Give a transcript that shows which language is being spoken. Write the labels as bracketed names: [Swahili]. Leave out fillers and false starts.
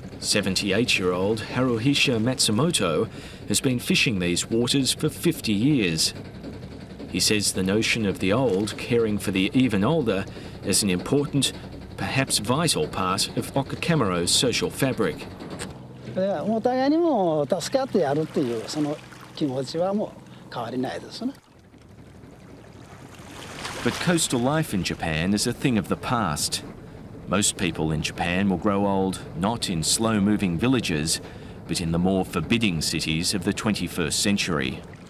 [English] 78-year-old Haruhisha Matsumoto has been fishing these waters for 50 years. He says the notion of the old caring for the even older is an important, perhaps vital part of Okikamuro's social fabric. [Japanese] お互いにも助け合ってやるっていうその気持ちはもう変わりないですね。 [English] But coastal life in Japan is a thing of the past. Most people in Japan will grow old not in slow-moving villages, but in the more forbidding cities of the 21st century.